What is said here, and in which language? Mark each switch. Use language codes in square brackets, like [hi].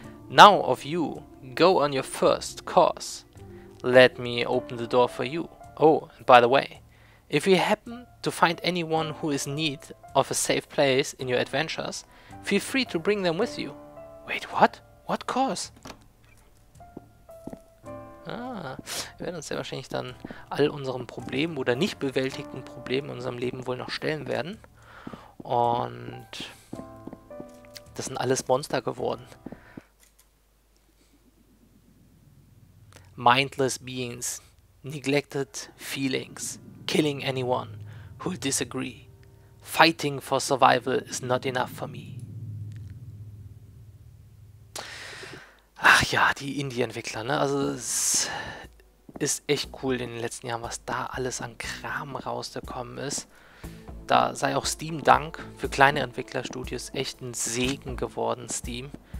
[en] Now of you, go on your first course. Let me open the door for you. Oh, and by the way, if you happen to find anyone who is in need of a safe place in your adventures, feel free to bring them with you. Wait, what? What course? [de] Ah, wir werden uns sehr wahrscheinlich dann all unseren Problemen oder nicht bewältigten Problemen in unserem Leben wohl noch stellen werden. Und das sind alles Monster geworden. [en] Mindless beings, neglected feelings, killing anyone who disagree. Fighting for survival is not enough for me. [de] Ach ja, die Indie-Entwickler, ne? Also es ist echt cool in den letzten Jahren, was da alles an Kram rausgekommen ist. Da sei auch Steam Dank für kleine Entwicklerstudios echt ein Segen geworden, Steam.